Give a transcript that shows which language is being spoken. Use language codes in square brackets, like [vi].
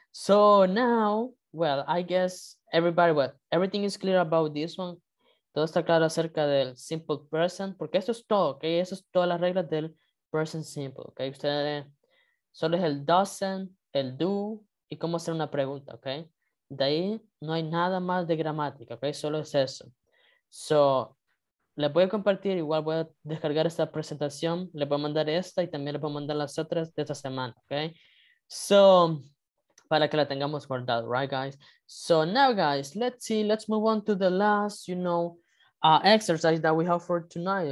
[en] So now, well, I guess everybody, well, everything is clear about this one. [es] Todo está claro acerca del simple present, porque esto es todo, ¿ok? Eso es todas las reglas del present simple, ¿ok? Ustedes, solo es el doesn't, el do, y cómo hacer una pregunta, ¿ok? De ahí no hay nada más de gramática, ¿ok? Solo es eso. So, les voy a compartir, igual voy a descargar esta presentación, les voy a mandar esta y también les voy a mandar las otras de esta semana, ¿ok? So, para que la tengamos guardada, [en] right, guys? So, now, guys, let's see, let's move on to the last, you know, exercise that we have for tonight.